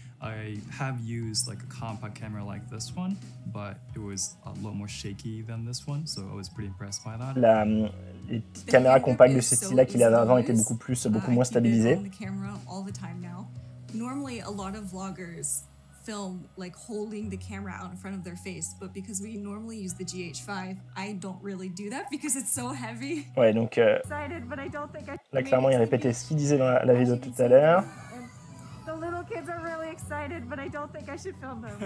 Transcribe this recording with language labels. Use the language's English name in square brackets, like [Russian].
[English] I have used like a compact camera like this one, but it was a lot more shaky than this one, so I was pretty impressed by that. [French] Les petites caméras compactes de ce style-là qu'il avait avant étaient beaucoup plus, beaucoup moins stabilisées. [English] On the camera all the time now. Normally, a lot of vloggers film like holding the camera out in front of their face, but because we normally use the GH5, I don't really do that because it's so heavy. [French] Ouais, donc. Là, clairement, il répétait ce qu'il disait dans la vidéo tout à l'heure. [English] The little kids are really excited, but I don't think I should film them.